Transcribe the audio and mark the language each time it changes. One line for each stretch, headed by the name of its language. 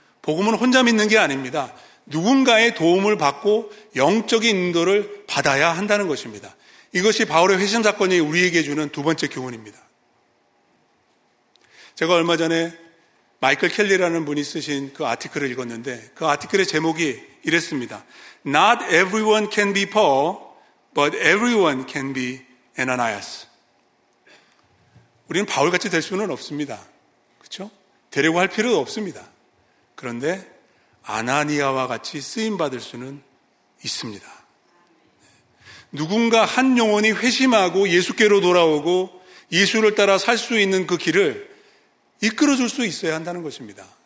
Korean: 복음은 혼자 믿는 게 아닙니다. 누군가의 도움을 받고 영적인 인도를 받아야 한다는 것입니다. 이것이 바울의 회심 사건이 우리에게 주는 두 번째 교훈입니다. 제가 얼마 전에 마이클 켈리라는 분이 쓰신 그 아티클을 읽었는데 그 아티클의 제목이 이랬습니다.
English: Not everyone can be Paul, but everyone can be Ananias.
Korean: 우리는 바울같이 될 수는 없습니다. 그렇죠? 되려고 할 필요도 없습니다. 그런데 아나니아와 같이 쓰임받을 수는 있습니다. 누군가 한 영혼이 회심하고 예수께로 돌아오고 예수를 따라 살 수 있는 그 길을 이끌어줄 수 있어야 한다는 것입니다.